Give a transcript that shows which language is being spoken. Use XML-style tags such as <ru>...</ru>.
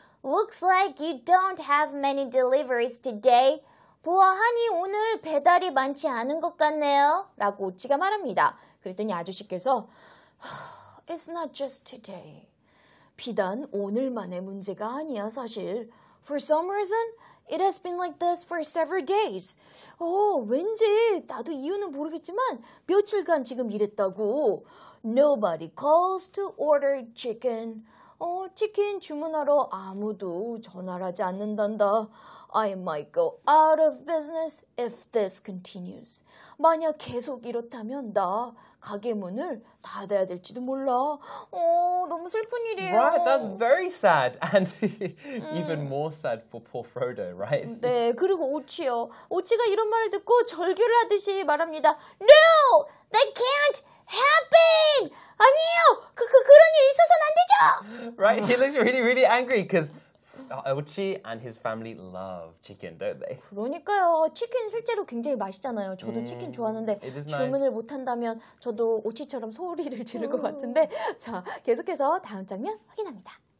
<en>Looks like you don't have many deliveries today.</en> <ko>보아하니 오늘 배달이 많지 않은 것 같네요. 라고 오치가 말합니다. 그랬더니 아저씨께서</ko> <en>It's not just today.</en> <ko>비단 오늘만의 문제가 아니야 사실.</ko> <en>For some reason, it has been like this for several days.</en> <ko>어, 왠지 나도 이유는 모르겠지만 며칠간 지금 이랬다고.</ko> <en>Nobody calls to order chicken.</en> <ko>어, 치킨 주문하러 아무도 전화를 하지 않는단다.</ko> <en>I might go out of business if this continues.</en> <ko>만약 계속 이렇다면 나 가게 문을 닫아야 될지도 몰라. 어, 너무 슬픈 일이에요.</ko> <en>Right, that's very sad. And even more sad for poor Frodo, right?</en> <ko>네, 그리고 오치요. 오치가 이런 말을 듣고 절규를 하듯이 말합니다.</ko> <en>No! That can't happen!</en> <ko>아니에요! 그런 일이 있어서는 안 되죠!</ko> <en>Right, he looks really, really angry because Ochi and his family love chicken, don't they?</en> <ko>그러니까요. 치킨 실제로 굉장히 맛있잖아요. 저도 치킨 좋아하는데 주문을</ko> <en>nice.</en> <ko>못한다면 저도 오치처럼 소리를 지를 것 같은데 자, 계속해서 다음 장면 확인합니다.</ko>